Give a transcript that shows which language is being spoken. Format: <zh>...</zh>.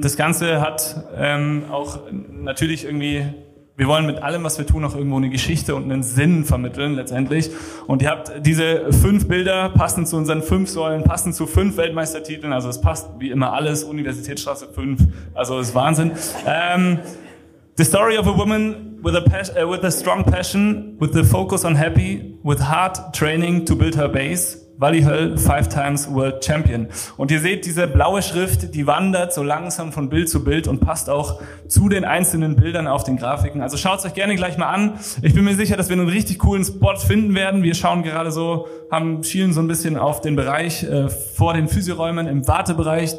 <de>Das Ganze hat auch natürlich irgendwie, wir wollen mit allem, was wir tun, auch irgendwo eine Geschichte und einen Sinn vermitteln letztendlich. Und ihr habt diese 5 Bilder, passend zu unseren 5 Säulen, passend zu 5 Weltmeistertiteln. Also es passt wie immer alles, Universitätsstraße 5, also ist Wahnsinn.</de> <en>The story of a woman with a strong passion, with the focus on happy, with hard training to build her base. Walli Höll, 5-time World Champion.</en> <de>Und ihr seht, diese blaue Schrift, die wandert so langsam von Bild zu Bild und passt auch zu den einzelnen Bildern auf den Grafiken. Also schaut es euch gerne gleich mal an. Ich bin mir sicher, dass wir einen richtig coolen Spot finden werden. Wir schauen gerade so, schielen so ein bisschen auf den Bereich vor den Physioräumen im Wartebereich.</de>